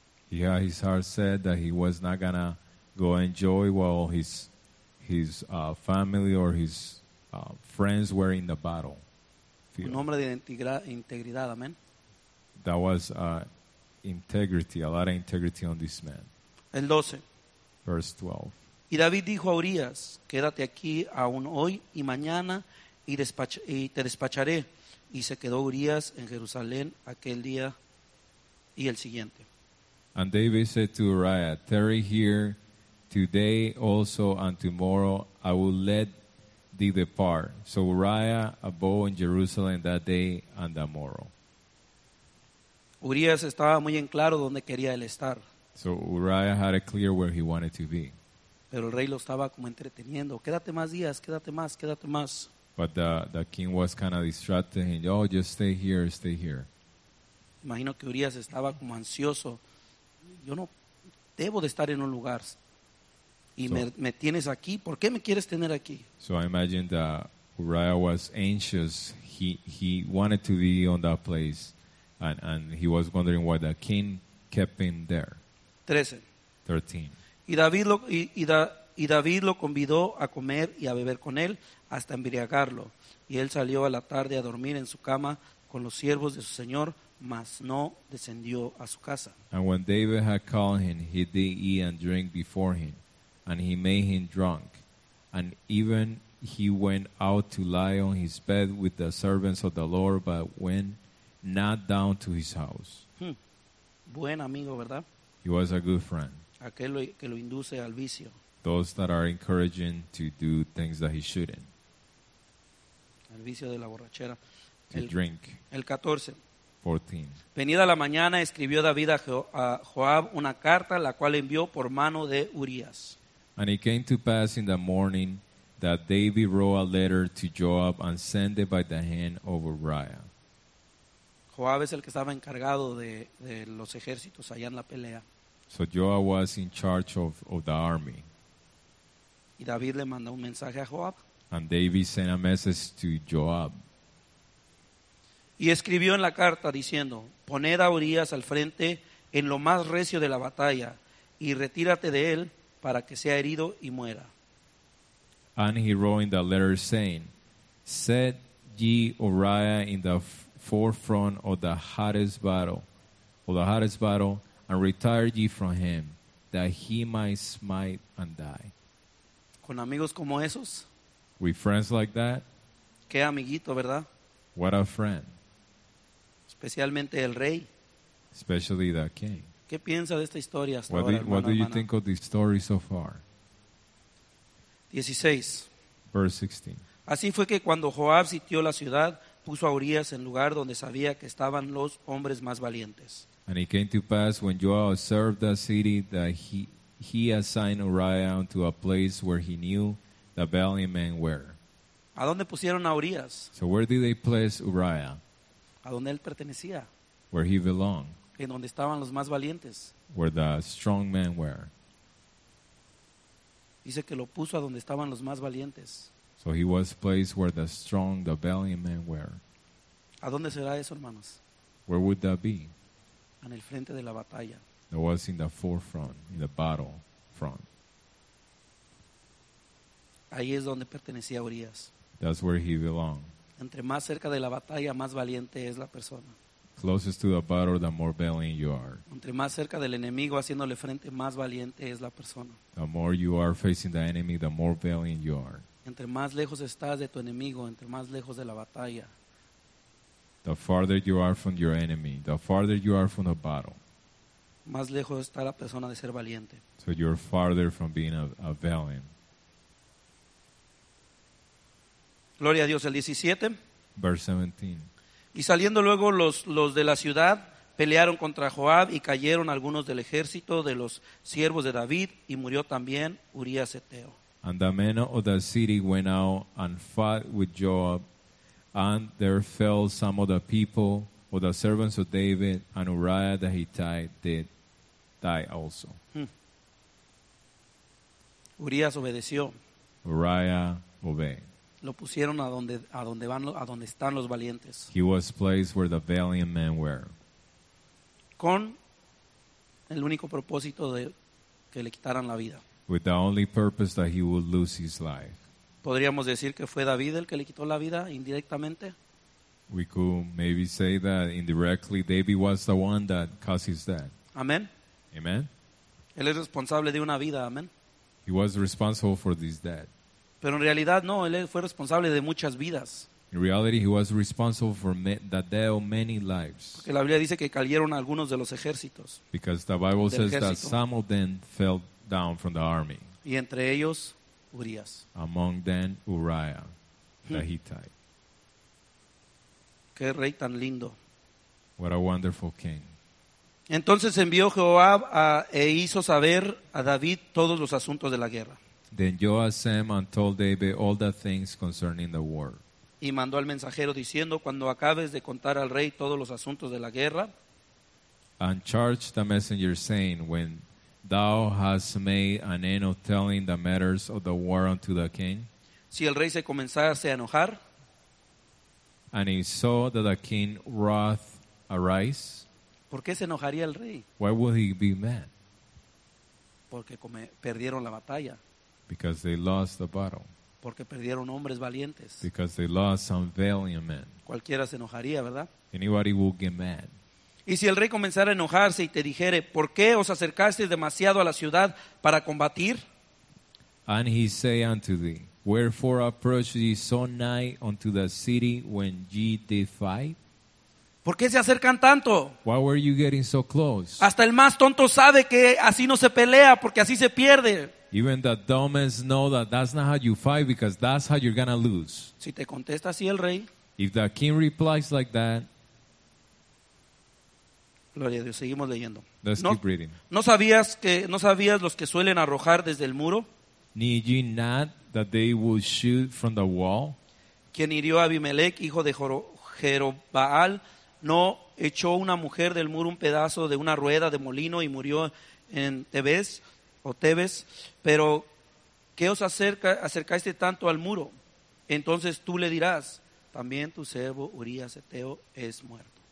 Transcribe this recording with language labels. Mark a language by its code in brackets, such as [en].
[en] Yeah, his heart said that he was not gonna go enjoy while his family or his friends were in the battle. Field. [es] Un hombre de integridad, amén. [en] That was integrity, a lot of integrity on this man. [es] El 12. [en] Verse 12. [es] Y David dijo a Urías, quédate aquí aún hoy y mañana y te despacharé. Y se quedó Urías en Jerusalén aquel día y el siguiente. [en] And David said to Uriah, tarry here today also and tomorrow I will let thee depart. So Uriah abode in Jerusalem that day and the morrow. [es] Urias estaba muy en claro donde quería él estar. [en] So Uriah had it clear where he wanted to be. [es] Pero el rey lo estaba como entreteniendo. Quédate más días, quédate más, quédate más. [en] But the king was kind of distracting him. Oh, just stay here, stay here. [es] Imagino que Urias estaba como ansioso. Yo no debo de estar en un lugar. Y me tienes aquí. ¿Por qué me quieres tener aquí? [en] So I imagine that Uriah was anxious. He wanted to be on that place. And he was wondering why the king kept him there. 13. [es] Y David lo convidó a comer y a beber con él hasta embriagarlo. Y él salió a la tarde a dormir en su cama con los siervos de su señor, mas no descendió a su casa. [en] And when David had called him, he did eat and drink before him, and he made him drunk. And even he went out to lie on his bed with the servants of the Lord, but went not down to his house. [es] Buen amigo, ¿verdad? [en] He was a good friend. [es] Aquel que lo induce al vicio. [en] Those that are encouraging to do things that he shouldn't. [es] El vicio de la borrachera. [en] Drink. [es] El 14. 14. Venida la mañana, escribió David a Joab una carta, la cual envió por mano de Urias. [en] And it came to pass in the morning that David wrote a letter to Joab and sent it by the hand of Uriah. [es] Joab es el que estaba encargado de los ejércitos allá en la pelea. [en] So Joab was in charge of the army. [es] Y David le mandó un mensaje a Joab. [en] And David sent a message to Joab. [es] Y escribió en la carta diciendo, poned a Urias al frente en lo más recio de la batalla y retírate de él para que sea herido y muera. [en] And he wrote in the letter saying, set ye Uriah in the forefront of the hottest battle, and retire ye from him, that he might smite and die. [es] Con amigos como esos. [en] With friends like that. [es] Qué amiguito, ¿verdad? [en] What a friend. [es] Especialmente el rey. [en] Especially the king. [es] ¿Qué piensa de esta historia hasta ahora, hermano? [en] What do you think of this story so far? 16. Verse 16. [es] Así fue que cuando Joab sitió la ciudad, puso a Urias en lugar donde sabía que estaban los hombres más valientes. [en] And it came to pass when Joab observed the city that he assigned Uriah unto a place where he knew the valiant men were. [es] ¿A dónde pusieron a Urias? [en] So where did they place Uriah? [es] ¿A dónde él pertenecía? [en] Where he belonged. [es] En donde estaban los más valientes. [en] Where the strong men were. [es] Dice que lo puso a donde estaban los más valientes. [en] So he was placed where the strong, the valiant men were. [es] ¿A dónde será eso, hermanos? [en] Where would that be? [es] En el frente de la batalla. [en] It was in the forefront, in the battle front. [es] Ahí es donde pertenecía Urias. [en] That's where he belonged. [es] Entre más cerca de la batalla, más valiente es la persona. [en] Closest to the battle, the more valiant you are. [es] Entre más cerca del enemigo haciéndole frente, más valiente es la persona. [en] The more you are facing the enemy, the more valiant you are. [es] Entre más lejos estás de tu enemigo, entre más lejos de la batalla. [en] The farther you are from your enemy, the farther you are from the battle. [es] Más lejos está la persona de ser valiente. [en] So you're farther from being a valiant. [es] Gloria a Dios, el 17. [en] Verse 17. [es] Y saliendo luego los de la ciudad, pelearon contra Joab y cayeron algunos del ejército de los siervos de David y murió también Urías Heteo. [en] And the men of the city went out and fought with Joab, and there fell some of the people of the servants of David, and Uriah the Hittite did die also. [es] Urias obedeció. [en] Uriah obeyed. [es] Lo pusieron a donde están los valientes. [en] He was placed where the valiant men were. [es] Con el único propósito de que le quitaran la vida. [en] With the only purpose that he would lose his life. [es] ¿Podríamos decir que fue David el que le quitó la vida indirectamente? [en] We could maybe say that indirectly David was the one that caused his death. [es] Amen. [en] Amen. [es] Él es responsable de una vida, amen. [en] He was responsible for this death. [es] Pero en realidad no, él fue responsable de muchas vidas. [en] In reality he was responsible for the death of many lives. [es] Porque la Biblia dice que cayeron algunos de los ejércitos. [en] Because the Bible says that some of them fell down from the army. [es] Y entre ellos, Urias. [en] Among them, Uriah, the Hittite. [es] Qué rey tan lindo. [en] What a wonderful king. [es] Entonces envió Joab e hizo saber a David todos los asuntos de la guerra. [en] Then Joab sent and told David all the things concerning the war. [es] Y mandó al mensajero diciendo, cuando acabes de contar al rey todos los asuntos de la guerra. [en] And charged the messenger saying, when thou hast made an end of telling the matters of the war unto the king. [es] Si el rey se comenzase a enojar. [en] And he saw that the king wrath arise. [es] ¿Por qué se enojaría el rey? [en] Why would he be mad? [es] Porque perdieron la batalla. [en] Because they lost the battle. [es] Porque perdieron hombres valientes. [en] Because they lost some valiant men. [es] Cualquiera se enojaría, ¿verdad? [en] Anybody would get mad. [es] Y si el rey comenzara a enojarse y te dijere, ¿por qué os acercasteis demasiado a la ciudad para combatir? [en] And he say unto thee, wherefore approached ye so nigh unto the city when ye did fight? [es] ¿Por qué se acercan tanto? [en] Why were you getting so close? [es] Hasta el más tonto sabe que así no se pelea, porque así se pierde. [en] Even the dumbest know that that's not how you fight, because that's how you're gonna lose. [es] Si te contesta así el rey, [en] if the king replies like that, [es] gloria a Dios, seguimos leyendo. [en] Let's no, keep reading. [es] ¿No sabías los que suelen arrojar desde el muro? [en] Need ye not that they will shoot from the wall? [es] ¿Quién hirió a Abimelech, hijo de Jerobaal, no echó una mujer del muro un pedazo de una rueda de molino y murió en Tebes? O Tebes, pero ¿qué os acercaste tanto al muro? Entonces tú le dirás, también tu servo Urías Eteo es muerto.